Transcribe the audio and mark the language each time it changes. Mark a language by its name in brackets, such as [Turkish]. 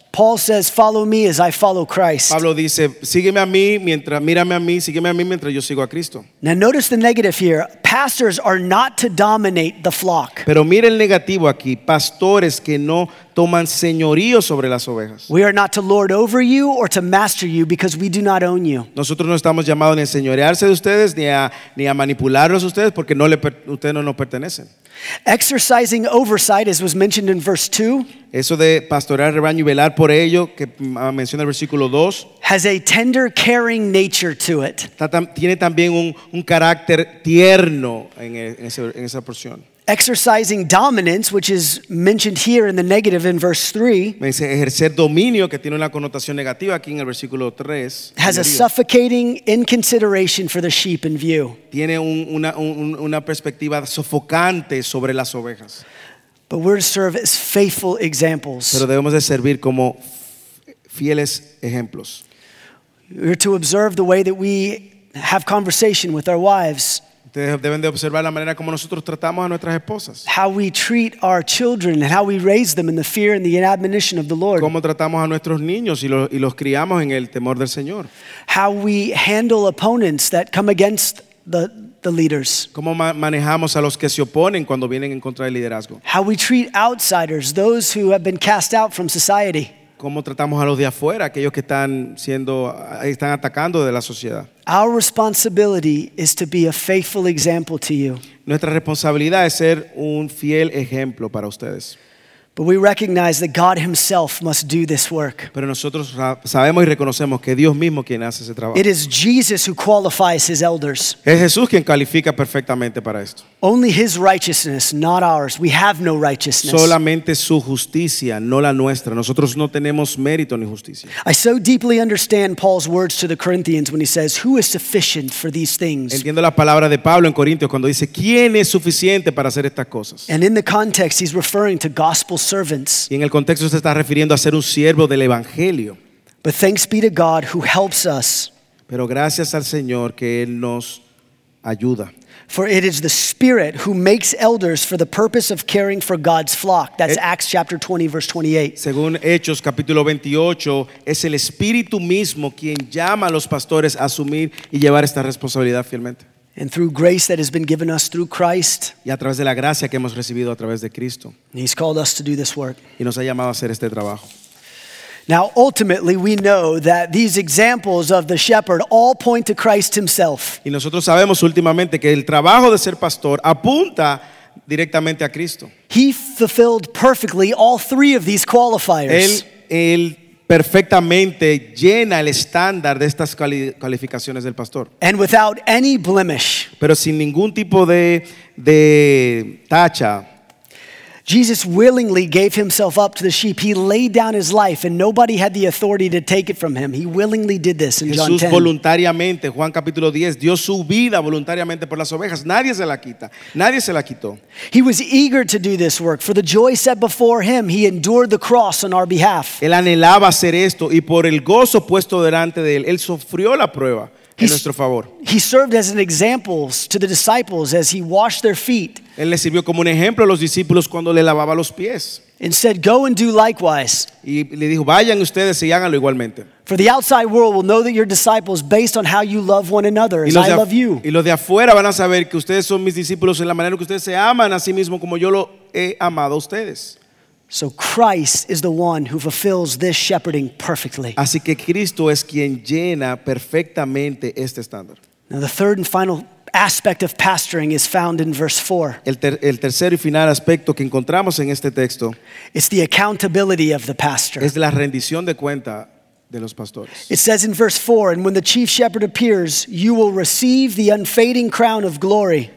[English] Paul says, "Follow me as I follow Christ." [Spanish] Pablo dice, sígueme a mí mientras mírame a mí, sígueme a mí mientras yo sigo a Cristo. [English] Now notice the negative here. Pastors are not to dominate the flock. [Spanish] Pero mire el negativo aquí. Pastores que no toman señorío sobre las ovejas. [English] We are not to lord over you or to master you because we do not own you. [Spanish] Nosotros no estamos llamados ni a señorearse de ustedes ni a manipularlos a ustedes porque ustedes no nos pertenecen. [English] Exercising oversight, as was mentioned in verse 2, [Spanish] eso de pastorear rebaño y velar por ello, que menciona el versículo 2, [English] has a tender, caring nature to it. [Spanish] Tiene también un carácter tierno en esa porción. [English] Exercising dominance, which is mentioned here in the negative in verse 3, [Spanish] ejercer dominio, que tiene una connotación negativa aquí en el versículo 3, [English] has a suffocating inconsideration for the sheep in view. [Spanish] Tiene una perspectiva sofocante sobre las ovejas. [English] But we're to serve as faithful examples. [Spanish] Pero debemos de servir como fieles ejemplos. [English] We're to observe the way that we have conversation with our wives. [Spanish] Deben de observar la manera como nosotros tratamos a nuestras esposas. [English] How we treat our children and how we raise them in the fear and the admonition of the Lord. [Spanish] Cómo tratamos a nuestros niños y los criamos en el temor del Señor. [English] How we handle opponents that come against the leaders. [Spanish] Cómo manejamos a los que se oponen cuando vienen en contra del liderazgo. [English] How we treat outsiders, those who have been cast out from society. [Spanish] Cómo tratamos a los de afuera, aquellos que están atacando de la sociedad. [English] Our responsibility is to be a faithful example to you. [Spanish] Nuestra responsabilidad es ser un fiel ejemplo para ustedes. [English] But we recognize that God Himself must do this work. [Spanish] Pero nosotros sabemos y reconocemos que Dios mismo quien hace ese trabajo. [English] It is Jesus who qualifies His elders. [Spanish] Es Jesús quien califica perfectamente para esto. [English] Only His righteousness, not ours. We have no righteousness. [Spanish] Solamente su justicia, no la nuestra. Nosotros no tenemos mérito ni justicia. [English] I so deeply understand Paul's words to the Corinthians when he says, "Who is sufficient for these things?" [Spanish] Entiendo la palabra de Pablo en Corintios cuando dice, "¿Quién es suficiente para hacer estas cosas?" [English] And in the context, he's referring to gospel servants. [Spanish] Y en el contexto se está refiriendo a ser un siervo del evangelio. [English] But thanks be to God who helps us. [Spanish] Pero gracias al Señor que él nos ayuda. [English] For it is the Spirit who makes elders for the purpose of caring for God's flock. That's Acts chapter 20 verse 28. [Spanish] Según Hechos capítulo 28, es el Espíritu mismo quien llama a los pastores a asumir y llevar esta responsabilidad fielmente. [English] And through grace that has been given us through Christ. [Spanish] Y a través de la gracia que hemos recibido a través de Cristo. [English] He's called us to do this work. [Spanish] Y nos ha llamado a hacer este trabajo. [English] Now ultimately we know that these examples of the shepherd all point to Christ himself. [Spanish] Y nosotros sabemos últimamente que el trabajo de ser pastor apunta directamente a Cristo. [English] He fulfilled perfectly all three of these qualifiers. [Spanish] Él perfectamente llena el estándar de estas calificaciones del pastor. [English] And without any blemish. [Spanish] Pero sin ningún tipo de tacha. [English] Jesus willingly gave himself up to the sheep. He laid down his life and nobody had the authority to take it from him. He willingly did this in [Spanish] Jesús [English] John 10. [Spanish] Voluntariamente, Juan capítulo 10, dio su vida voluntariamente por las ovejas. Nadie se la quita. Nadie se la quitó. [English] He was eager to do this work. For the joy set before him, he endured the cross on our behalf. [Spanish] Él anhelaba hacer esto y por el gozo puesto delante de él, él sufrió la prueba en nuestro favor. [English] He served as an example to the disciples as he washed their feet. [Spanish] Él le sirvió como un ejemplo a los discípulos cuando le lavaba los pies. [English] Instead, go and do likewise. [Spanish] Y le dijo, vayan ustedes y háganlo igualmente. [English] For the outside world will know that you're disciples based on how you love one another, as I love you. [Spanish] Y los de afuera van a saber que ustedes son mis discípulos en la manera que ustedes se aman a sí mismo como yo lo he amado a ustedes. [English] So Christ is the one who fulfills this shepherding perfectly. [Spanish] Así que Cristo es quien llena perfectamente este estándar. [English] Now the third and final aspect of pastoring is found in verse 4. [Spanish] El tercer y final aspecto que encontramos en este texto [English] is the accountability of the pastor. [Spanish] Es la rendición de cuenta de los pastores. [English] It says in verse 4, and when the chief shepherd appears, you will receive the unfading crown of glory.